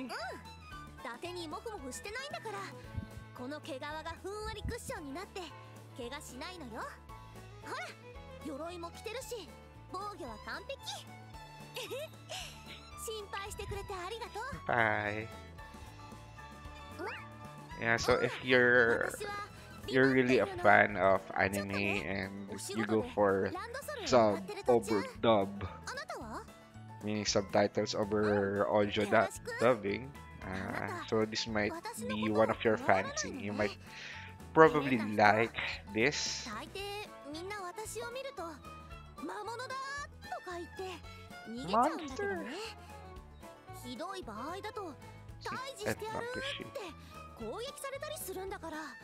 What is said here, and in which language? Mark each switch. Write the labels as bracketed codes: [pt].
[ja] うん、伊達にモフモフしてないんだから。この毛皮がふんわりクッションになって怪我しないのよ。ほら、鎧も着てるし防御は完璧。心配してくれてありがとう。バイ。 [en] Yeah, so if you're really a fan of anime and you go for sub over dub, meaning subtitles over audio dubbing, so this might be one of your fancy. You might probably like this. [ja] 大抵みんな私を見ると魔物だとか言って逃げちゃうんだけどね。ひどい場合だと退治してやるって攻撃されたりするんだから。